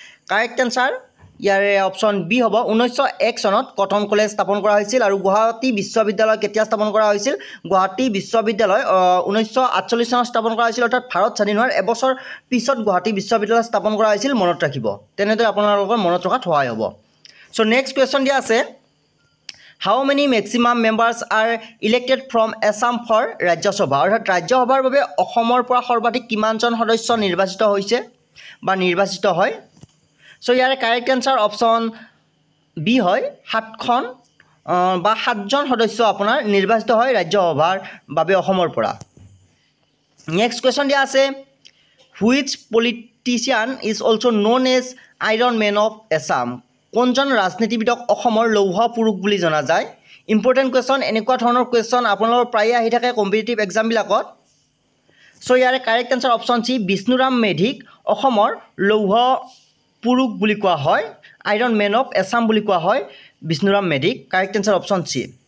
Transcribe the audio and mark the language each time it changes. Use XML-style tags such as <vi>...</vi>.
<as>Correct answer ইয়াৰে option B হ'ব 1901 চনত কটন কলেজ স্থাপন কৰা হৈছিল আৰু গুৱাহাটী বিশ্ববিদ্যালয় কেতিয়া স্থাপন কৰা হৈছিল গুৱাহাটী বিশ্ববিদ্যালয় 1948 চনত স্থাপন কৰা হৈছিল অৰ্থাৎ ভাৰত স্বাধীন হোৱাৰ এবছৰ পিছত গুৱাহাটী বিশ্ববিদ্যালয় স্থাপন কৰা হৈছিল মনত ৰাখিব তেনেদৰে আপোনালোকৰ মনত ৰখাত সহায় হ'ব চ' নেক্সট কুৱেশ্যন দিয়া আছে</as> <en>How many maximum members are elected from Assam for Rajya Sabha?</en> <as>অর্থাৎ রাজ্য সভার বাবে অসমৰ পৰা সৰ্বাধিক কিমানজন সদস্য নিৰ্বাচিত হৈছে বা নিৰ্বাচিত হয়? So ইয়াৰ কৰেক্ট আনসার অপচন বি হয় 7খন বা 7জন সদস্য আপোনাৰ নিৰ্বাচিত হয় রাজ্য সভাৰ বাবে অসমৰ পৰা।</as> <en>Next question</en> <as>দিয়া আছে,</as> <en>which politician is also known as Iron Man of Assam?</en> <as>কোনজন ৰাজনীতিবিদক অসমৰ লৌহ পুৰুষ বুলি জনা যায়? ইম্পৰ্টেণ্ট কুৱেশ্যন, এনেকুৱা ধৰণৰ কুৱেশ্যন আপোনালোকৰ প্ৰায়ে আহি থাকে কম্পিটিটিভ এক্সামবিলাকত। চ' ইয়াৰে correct answer option C, Bishnuram মেধিক অসমৰ লৌহ পুৰুষ বুলি কোৱা হয়, আইৰণ মেন অফ এছাম বুলি কোৱা হয় Bishnuram মেধিক, correct answer option C.</as>